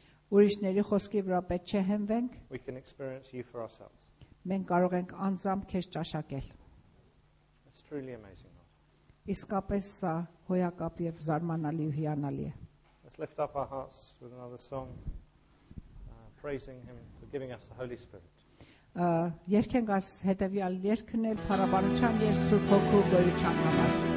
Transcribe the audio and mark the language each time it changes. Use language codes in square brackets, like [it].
[hy] Ուրիշների խոսքի վրա պետք չէ հենվենք։ [en] We can experience you for ourselves. [hy] Մենք կարող ենք անձամբ քեզ ճաշակել։ [en] It's truly amazing. [hy] Իսկապես սա հոյակապ եւ զարմանալի ու հիանալի է։ [en] Let's lift up our hearts with another song, praising him for giving us the Holy Spirit. [hy] Երկենք աս հետևյալ երգն էլ փառաբանության եւ Սուրբ Հոգու գոյության համար։